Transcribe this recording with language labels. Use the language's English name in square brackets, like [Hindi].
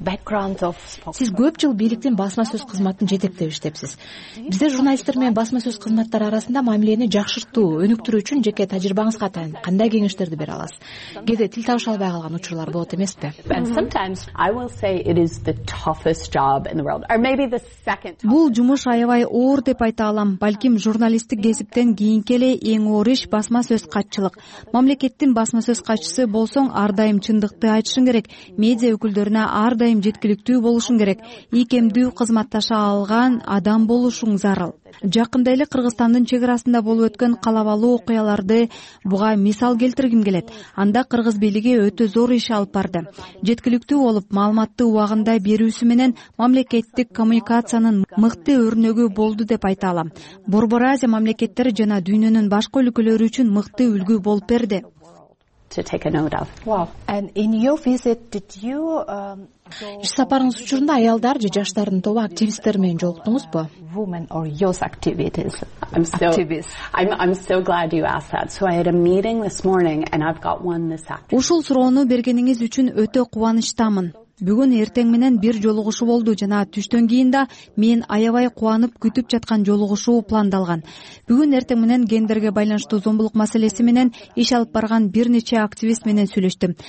[Kyrgyz] Сиз көп жыл бийликтин басма сөз кызматын жетектеп иштепсиз. Бизде журналисттер менен басма сөз кызматтары арасында мамилени жакшыртуу, өнүктүрүү үчүн жеке тажрыйбаңызга таянып, кандай кеңештерди бере аласыз? Кээде тил табыша албай калган учурлар болот эмеспи? [English] Sometimes I will say it is the toughest job in the world, or maybe the second. [Kyrgyz] Бул жумуш аябай оор деп айта алам. Балким журналисттик кесиптен кийинки эле эң оор иш басма сөз катчылык. Мамлекеттин басма сөз катчысы болсоң, ар дайым чындыкты айтышың керек. Медиа өкүлдөрүнө ар дайым жеткиликтүү болушуң керек. Ийкемдүү кызматташа алган адам болушуң зарыл. Жакында эле Кыргызстандын чек арасында болуп өткөн калабалуу окуяларды буга мисал келтиргим келет. Анда кыргыз бийлиги өтө зор иш алып барды. Жеткиликтүү болуп, маалыматты убагында берүүсү менен мамлекеттик коммуникациянын мыкты өрнөгү болду деп айта алам. Борбор Азия мамлекеттери жана дүйнөнүн башка өлкөлөрү үчүн мыкты үлгү болуп берди. [English] To take a note of. Wow. And in your visit, did you [Kyrgyz] иш сапарыңыз учурунда аялдар же жаштардын тобу активисттер менен жолуктуңузбу? [English] Women or youth activities. I'm so glad you asked that. So I had a meeting this morning and I've got one this afternoon. [Kyrgyz] Ушул суроону бергениңиз үчүн өтө кубанычтамын. Бүгүн эртең менен бир жолугушуу болду жана түштөн кийин да мен аябай кубанып күтүп жаткан жолугушуу пландалган. Бүгүн эртең менен гендерге байланыштуу зомбулук маселеси менен иш алып барган бир нече активист менен сүйлөштүм.